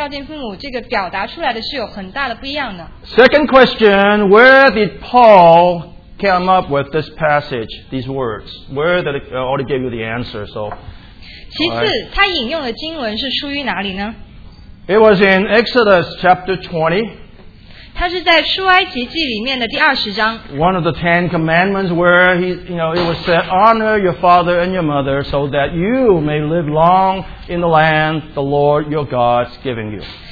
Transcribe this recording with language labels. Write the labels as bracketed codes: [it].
[zh] 大家要记住这个不一样的地方,这个特别的地方,因为你信不信主跟你孝敬父母这个表达出来的是有很大的不一样的。 [en] Second question, where did Paul come up with this passage, these words? Where did it, I already gave you the answer, so... [zh] 其次,他引用的经文是出于哪里呢? [en] It was in Exodus chapter 20. [zh] 他是在出埃及记里面的第20章。 [en] One of the Ten Commandments where he, you know, it was said, honor your father and your mother so that you may live long in the land the Lord your God is giving you.